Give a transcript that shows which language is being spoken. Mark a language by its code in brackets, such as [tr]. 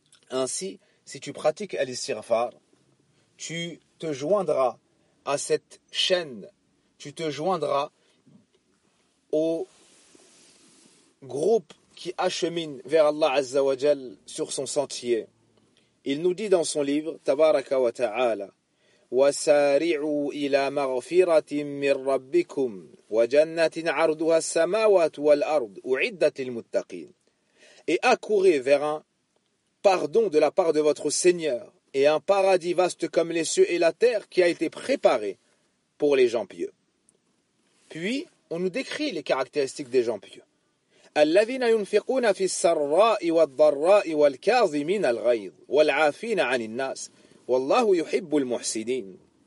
[fr] Ainsi, si tu pratiques al-sirfar, tu te joindras à cette chaîne, tu te joindras au groupe qui achemine vers Allah Azza wa Jal sur son sentier. Il nous dit dans son livre, [ar] Tabaraka wa ta'ala, وَسَارِعُوا إِلَى مَغْفِرَةٍ مِّن رَبِّكُمْ وَجَنَّةٍ عَرْضُهَا السَّمَاوَاتُ وَالْأَرْضُ أُعِدَّتْ لِلْمُتَّقِينَ. [fr] Et accourez vers un pardon de la part de votre Seigneur et un paradis vaste comme les cieux et la terre qui a été préparé pour les gens pieux. Puis, on nous décrit les caractéristiques des gens pieux. [ar] الَّذِينَ يُنْفِقُونَ فِي السَّرَّاءِ وَالضَّرَّاءِ وَالْكَاظِمِينَ الْغَيْظِ وَالْعَافِينَ عَنِ النَّاسِ وَاللَّهُ يُحِبُّ الْمُحْسِدِينَ.